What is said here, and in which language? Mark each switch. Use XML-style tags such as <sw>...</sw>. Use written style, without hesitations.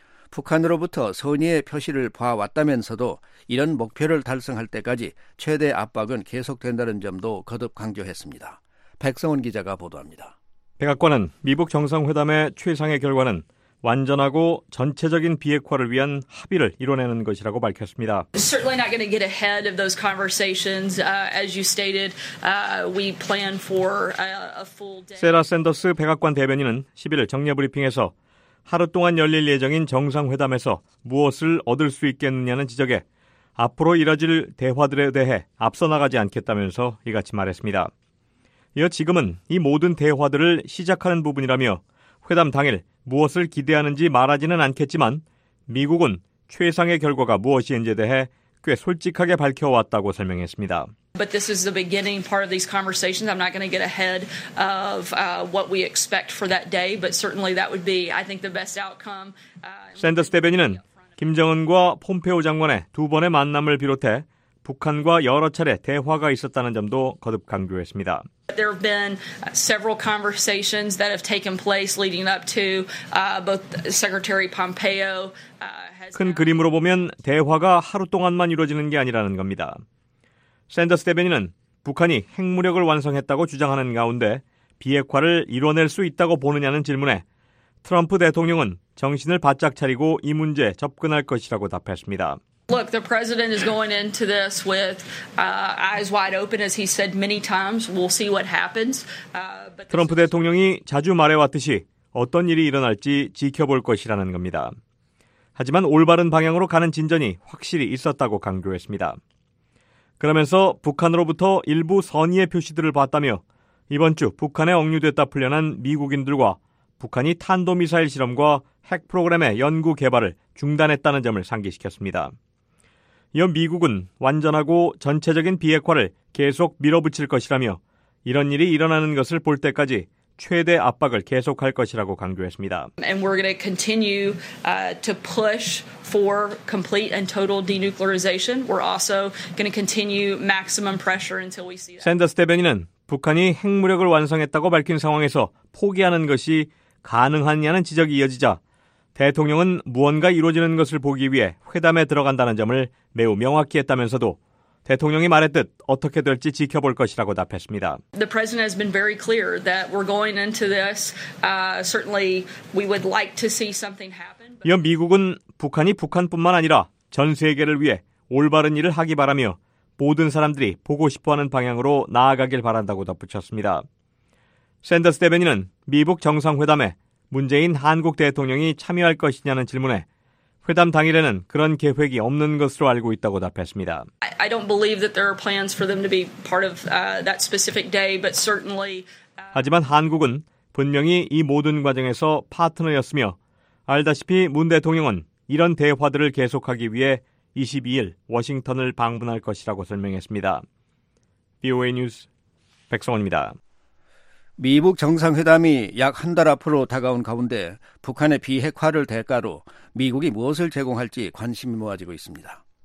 <ko>북한으로부터 선의의 표시를 봐왔다면서도 이런 목표를 달성할 때까지 최대 압박은 계속된다는 점도 거듭 강조했습니다. 백성훈 기자가 보도합니다. 백악관은 미북 정상회담의 최상의 결과는 완전하고 전체적인 비핵화를 위한 합의를 이뤄내는 것이라고 밝혔습니다.</ko> <en>Certainly not going to get ahead of those conversations. As you stated, we plan for a full day.</en> <ko>세라 샌더스 백악관 대변인은 11일 정례 브리핑에서 하루 동안 열릴 예정인 정상회담에서 무엇을 얻을 수 있겠느냐는 지적에 앞으로 이뤄질 대화들에 대해 앞서 나가지 않겠다면서 이같이 말했습니다. 이어 지금은 이 모든 대화들을 시작하는 부분이라며 회담 당일 무엇을 기대하는지 말하지는 않겠지만 미국은 최상의 결과가 무엇인지에 대해 꽤 솔직하게 밝혀왔다고 설명했습니다.</ko> <en>But this is the beginning part of these conversations. I'm not going to get ahead of what we expect for that day, but certainly that would be, I think, the best outcome.</en> <ko>샌더스 대변인은 김정은과 폼페오 장관의 두 번의 만남을 비롯해 북한과 여러 차례 대화가 있었다는 점도 거듭 강조했습니다.</ko> <en>There have been several conversations that have taken place leading up to both Secretary Pompeo.</en> <ko>큰 그림으로 보면 대화가 하루 동안만 이루어지는 게 아니라는 겁니다. 샌더스 대변인은 북한이 핵무력을 완성했다고 주장하는 가운데 비핵화를 이뤄낼 수 있다고 보느냐는 질문에 트럼프 대통령은 정신을 바짝 차리고 이 문제에 접근할 것이라고 답했습니다.</ko> <en>Look, the president is going into this with eyes wide open, as he said many times. We'll see what happens.</en> <ko>트럼프 대통령이 자주 말해왔듯이 어떤 일이 일어날지 지켜볼 것이라는 겁니다. 하지만 올바른 방향으로 가는 진전이 확실히 있었다고 강조했습니다. 그러면서 북한으로부터 일부 선의의 표시들을 봤다며 이번 주 북한에 억류됐다 풀려난 미국인들과 북한이 탄도미사일 실험과 핵 프로그램의 연구 개발을 중단했다는 점을 상기시켰습니다. 이어 미국은 완전하고 전체적인 비핵화를 계속 밀어붙일 것이라며 이런 일이 일어나는 것을 볼 때까지 최대 압박을 계속할 것이라고 강조했습니다.</ko> <en>And we're going to continue to push for complete and total denuclearization. We're also going to continue maximum pressure until we see that.</en> <ko>샌더스 대변인은 북한이 핵무력을 완성했다고 밝힌 상황에서 포기하는 것이 가능하냐는 지적이 이어지자 대통령은 무언가 이루어지는 것을 보기 위해 회담에 들어간다는 점을 매우 명확히 했다면서도 대통령이 말했듯 어떻게 될지 지켜볼 것이라고 답했습니다.</ko> <en>The president has been very clear that we're going into this. Certainly, we would like to see something happen.</en> <ko>이어 미국은 북한이 북한뿐만 아니라 전 세계를 위해 올바른 일을 하기 바라며 모든 사람들이 보고 싶어하는 방향으로 나아가길 바란다고 덧붙였습니다. 샌더스 대변인은 미북 정상회담에 문재인 한국 대통령이 참여할 것이냐는 질문에 회담 당일에는 그런 계획이 없는 것으로 알고 있다고 답했습니다.</ko> <en>I don't believe that there are plans for them to be part of that specific day, but certainly.</en> <ko>하지만 한국은 분명히 이 모든 과정에서 파트너였으며 알다시피 문 대통령은 이런 대화들을 계속하기 위해 22일 워싱턴을 방문할 것이라고 설명했습니다. VOA 뉴스 백성원입니다. 미북 정상회담이 약 한 달 앞으로 다가온 가운데 북한의 비핵화를 대가로 미국이 무엇을 제공할지 관심이 모아지고 있습니다.</ko>